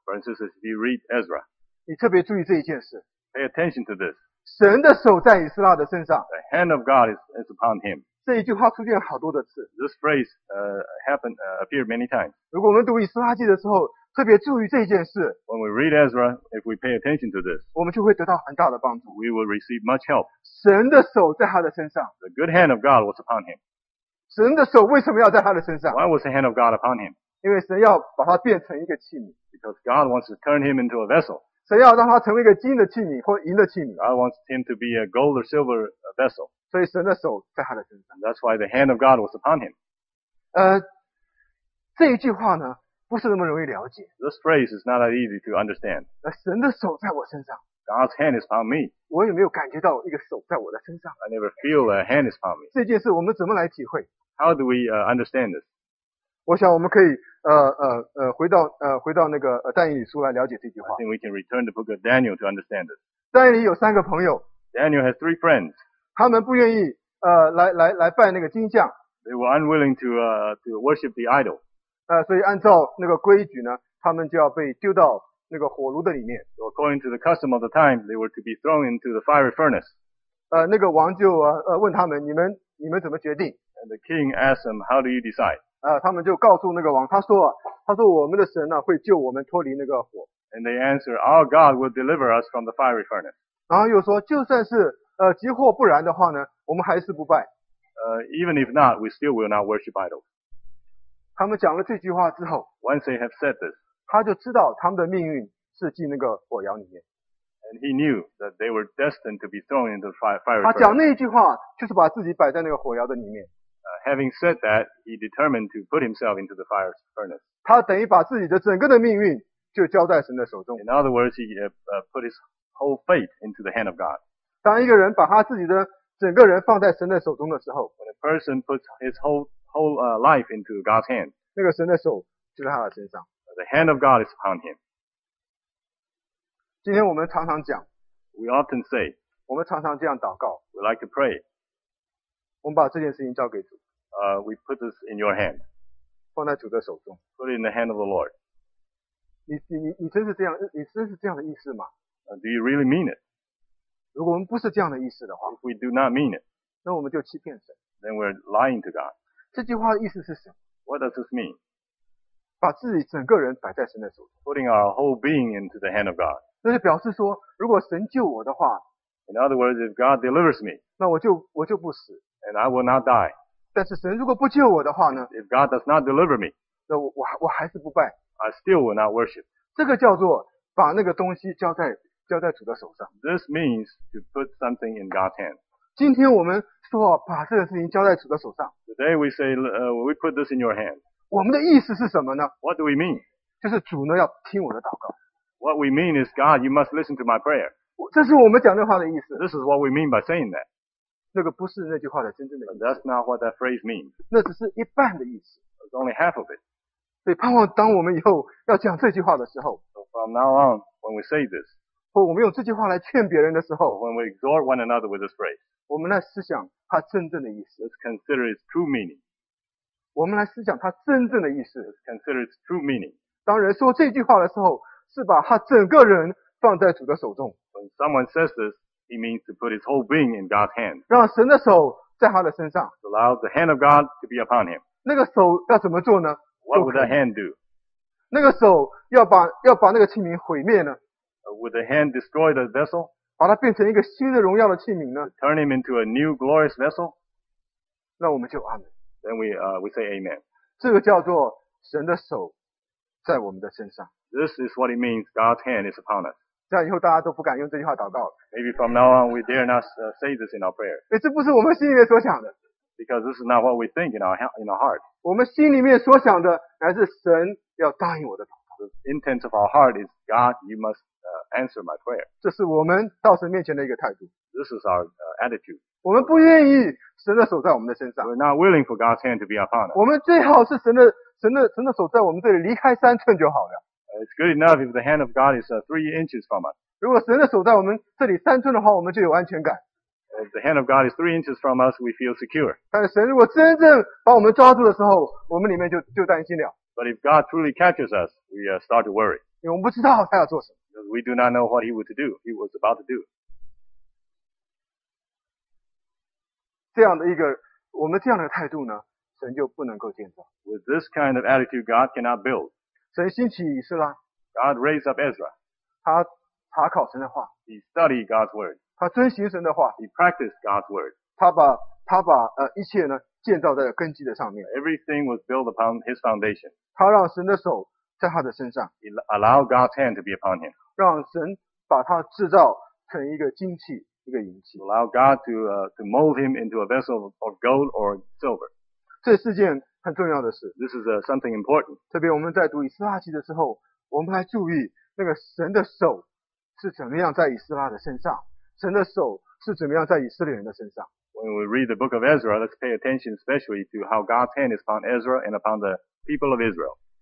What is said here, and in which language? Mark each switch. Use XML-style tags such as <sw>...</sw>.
<en>For instance, if you read Ezra.</en> <zh>你特别注意这一件事。</zh> <en>Pay attention to this.</en> <zh>神的手在以斯拉的身上。</zh> <en>The hand of God is upon him.</en> <zh>这一句话出现好多的次。</zh> <en>This phrase appeared many times.</en> <zh>如果我们读以斯拉记的时候，特别注意这件事。</zh> <en>When we read Ezra, if we pay attention to this,</en> <zh>我们就会得到很大的帮助。</zh> <en>We will receive much help.</en> <zh>神的手在他的身上。</zh> <en>The good hand of God was upon him.</en> <zh>神的手为什么要在他的身上</zh> <en>？Why was the hand of God upon him?</en> <zh>因为神要把他变成一个器皿。</zh> <en>Because God wants to turn him into a vessel.</en> <zh>神要让他成为一个金的器皿或银的器皿。</zh> <en>God wants him to be a gold or silver vessel.</en> <zh>所以神的手在他的身上。</zh> <en>That's why the hand of God was upon him.</en> <zh>这一句话呢，不是那么容易了解。</zh> <en>This phrase is not that easy to understand.</en> <zh>神的手在我身上。</zh> <en>God's hand is upon me.</en> <zh>我有没有感觉到一个手在我的身上</zh> <en>？I never feel a hand is upon me.</en> <zh>这件事我们怎么来体会</zh> <en>？How do we understand this?</en> <zh>我想我们可以回到那个但以理书来了解这句话。</zh> <en>I think we can return the book of Daniel to understand this.</en> <zh>但以理有三个朋友。</zh> <en>Daniel has three friends.</en> <zh>他们不愿意来拜那个金像。</zh> <en>They were unwilling to worship the idol.</en> <zh>所以按照那个规矩呢，他们就要被丢到那个火炉的里面。</zh> <en>So according to the custom of the time, they were to be thrown into the fiery furnace.</en> <zh>那个王就问他们，你们怎么决定</zh> <en>？And the king asked them, how do you decide?</en> <zh>他们就告诉那个王，他说我们的神呢会救我们脱离那个火。</zh> <en>And they answered, our God will deliver us from the fiery furnace.</en> <zh>然后又说，就算是急祸不然的话呢，我们还是不拜。</zh> <en>Even if not, we still will not worship idols.</en> <zh>他们讲了这句话之后</zh> <en>，Once they have said this,</en> <zh>他就知道他们的命运是进那个火窑里面。</zh> <en>And he knew that they were destined to be thrown into the fire.</en> <zh>他讲那一句话，就是把自己摆在那个火窑的里面。</zh> <en>Having said that, he determined to put himself into the fire furnace.</en> <zh>他等于把自己的整个的命运就交在神的手中。</zh> <en>In other words, he put his whole fate into the hand of God.</en> <zh>当一个人把他自己的整个人放在神的手中的时候</zh> <en>，When a person puts his whole life into God's hand，</en> <zh>那个神的手就在他的身上。</zh> <en>The hand of God is upon him。</en> <zh>今天我们常常讲</zh> <en>，We often say，</en> <zh>我们常常这样祷告</zh> <en>，We like to pray。</en> <zh>我们把这件事情交给主。</zh> <en>We put this in your hand，</en> <zh>放在主的手中。</zh> <en>Put it in the hand of the Lord。</en> <zh>你真是这样，你真是这样的意思吗</zh> <en>？Do you really mean it？</en> <zh>如果我们不是这样的意思的话</zh> <en>，If we do not mean it，</en> <zh>那我们就欺骗神。</zh> <en>Then we're lying to God。</en> <zh>这句话的意思是什么</zh> <en>？What does this mean？</en> <zh>把自己整个人摆在神的手中</zh> <en>，Putting our whole being into the hand of God。</en> <zh>那就表示说，如果神救我的话</zh> <en>In other words, if God delivers me,</en> <zh>那我就不死,</zh> <en>and I will not die.</en> <zh>但是神如果不救我的话呢,</zh> <en>if God does not deliver me,</en> <zh>那我还是不拜,</zh> <en>I still will not worship.</en> <zh>这个叫做把那个东西交在主的手上。</zh> <en>This means to put something in God's hand.</en> <zh>今天我们说把这个事情交在主的手上。</zh> <en>Today we say, we put this in your hand.</en> <zh>我们的意思是什么呢?</zh> <en>What do we mean?</en> <zh>就是主呢要听我的祷告。</zh> <en>What we mean is, God, you must listen to my prayer.</en> <zh>这是我们讲这话的意思。</zh> <en>This is what we mean by saying that.</en> <zh>那个不是那句话的真正的意思。</zh> <en>But that's not what that phrase means.</en> <zh>那只是一半的意思。</zh> <en>It's only half of it.</en> <zh>所以盼望当我们以后要讲这句话的时候,</zh> <en>so from now on, when we say this,</en> <zh>或我们用这句话来劝别人的时候,</zh> <en>when we exhort one another with this phrase,</en> <zh>我们来思想它真正的意思,</zh> <en>let's consider its true meaning.</en> <zh>我们来思想它真正的意思,</zh> <en>let's consider its true meaning.</en> <zh>当人说这句话的时候, 是把他整个人放在主的手中。</zh> <en>When someone says this, he means to put his whole being in God's hand.</en> <zh>让神的手在他的身上。</zh> <en>Allow the hand of God to be upon him.</en> <zh>那个手要怎么做呢?</zh> <en>What would the hand do?</en> <zh>那个手要把那个器皿毁灭呢?</zh> <en>Would the hand destroy the vessel?</en> <zh>把它变成一个新的荣耀的器皿呢?</zh> <en>Turn him into a new glorious vessel?</en> <zh>那我们就阿们。</zh> <en>Then we say amen.</en> <zh>这个叫做神的手在我们的身上。</zh> <en>This is what it means, God's hand is upon us.</en> <zh>这样以后大家都不敢用这句话祷告了。</zh> <en>Maybe from now on, we dare not say this in our prayer.</en> <zh>这不是我们心里面所想的。</zh> <en>Because this is not what we think in our heart.</en> <zh>我们心里面所想的乃是神要答应我的祷告。</zh> <en>The intent of our heart is, God, you must answer my prayer.</en> <zh>这是我们到神面前的一个态度。</zh> <en>This is our attitude.</en> <zh>我们不愿意神的手在我们的身上。</zh> <en>We're not willing for God's hand to be upon us.</en> <zh>我们最好是神的手在我们这里离开三寸就好了。</zh> <en>It's good enough if the hand of God is 3 inches from us.</en> <zh>如果神的手在我们这里三寸的话, 我们就有安全感。</zh> <en>If the hand of God is 3 inches from us, we feel secure.</en> <zh>但是神如果真正把我们抓住的时候, 我们里面就担心了。</zh> <en>But if God truly captures us, we start to worry.</en> <zh>因为我们不知道他要做什么。</zh> <en>We do not know what he was about to do.</en> <zh>这样的一个, 我们这样的态度呢, 神就不能够建造。</zh> <en>With this kind of attitude, God cannot build.</en> <zh>神兴起以色拉,</zh> <en>God raised up Ezra.</en> <zh>他查考神的话,</zh> <en>he studied God's word.</en> <zh>他遵行神的话,</zh> <en>he practiced God's word.</en> <zh>他把一切呢建造在根基的上面。</zh> <en>Everything was built upon his foundation.</en> <zh>他让神的手在他的身上,</zh> <en>he allowed God's hand to be upon him.</en> <zh>让神把他制造成一个金器, 一个银器。</zh> <en>Allow God to mold him into a vessel of gold or silver.</en> <zh>这是件 很重要的是,</zh> <en>this is something important.</en> <zh>特别我们在读以斯拉记的时候, 我们来注意那个神的手是怎么样在以斯拉的身上, 神的手是怎么样在以色列人的身上。</zh> <en>When we read the book of Ezra, let's pay attention especially to how God's hand is upon Ezra and upon the people of Israel.</en>